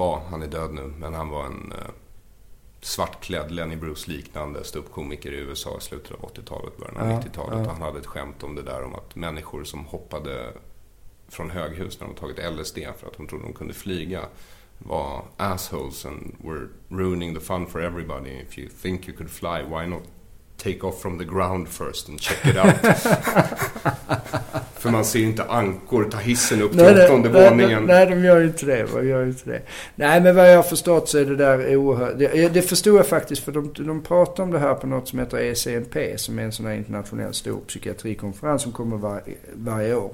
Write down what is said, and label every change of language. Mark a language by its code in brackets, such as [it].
[sv] Han är död nu, men han var en svartklädd Lenny Bruce liknande ståuppkomiker i USA i slutet av 80-talet, början av 90-talet. Ja. Han hade ett skämt om det där, om att människor som hoppade från höghus när de tagit LSD för att de trodde de kunde flyga var [en] assholes and were ruining the fun for everybody. If you think you could fly, why not take off from the ground first and check it out. [sv] För man ser inte ankor ta hissen upp till 18:e våningen. Nej, de gör inte det. Nej, men vad jag har förstått så är det där oerhört. Det förstår jag faktiskt, för de pratar om det här på något som heter ECNP, som är en sån här internationell stor psykiatrikonferens som kommer varje år.